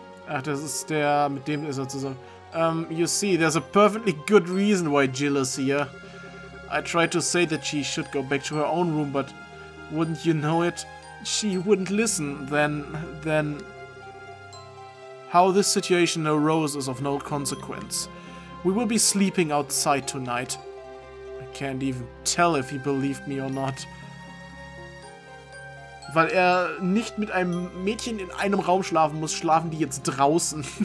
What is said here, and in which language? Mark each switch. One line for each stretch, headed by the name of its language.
German: Ach, das ist der, mit dem ist er zusammen.
English: You see, there's a perfectly good reason why Jill is here. I tried to say that she should go back to her own room, but wouldn't you know it? She wouldn't listen, then... How this situation arose is of no consequence. We will be sleeping outside tonight. I can't even tell if he believed me or not.
German: Weil er nicht mit einem Mädchen in einem Raum schlafen muss, schlafen die jetzt draußen.